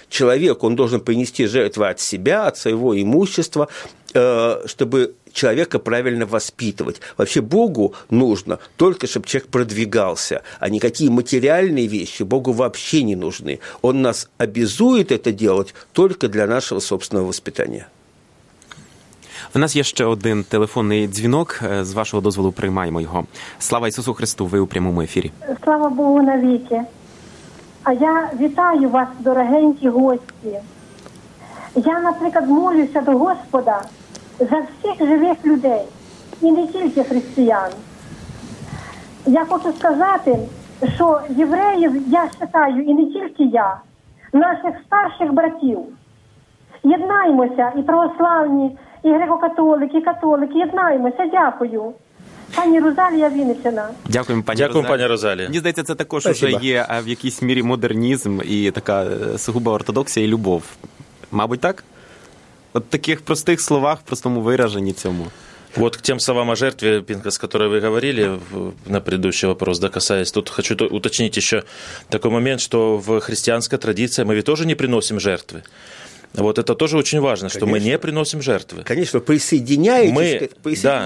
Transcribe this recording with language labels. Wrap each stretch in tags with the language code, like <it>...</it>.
<ru>Человек, он должен принести жертвы от себя, от своего имущества, чтобы человека правильно воспитывать. Вообще Богу нужно только, чтобы человек продвигался, а никакие материальные вещи Богу вообще не нужны. Он нас обязует это делать только для нашего собственного воспитания.</ru> <uk>В нас є ще один телефонний дзвінок. З вашого дозволу приймаємо його. Слава Ісусу Христу, ви у прямому ефірі. Слава Богу навіки. А я вітаю вас, дорогенькі гості. Я, наприклад, молюся до Господа за всіх живих людей, і не тільки християн. Я хочу сказати, що євреїв, я вважаю, і не тільки я, наших старших братів. Єднаємося, і православні, і греко-католики, і католики, єднаємося, дякую. Пані Розалія Вінниччина. Дякуємо, пані Розалія. Мені здається, це також вже є в якійсь мірі модернізм і така сугуба ортодоксія і любов. Мабуть, так? От таких простих словах, простому вираженні цьому.</uk> <ru>Вот к тем словам о жертве, Пинкас, которые вы говорили на предыдущий вопрос, да, касаясь, тут хочу уточнить еще такой момент, что в христианской традиции мы ведь тоже не приносим жертвы. Вот это тоже очень важно, конечно, что мы не приносим жертвы. Конечно, присоединяетесь.</ru>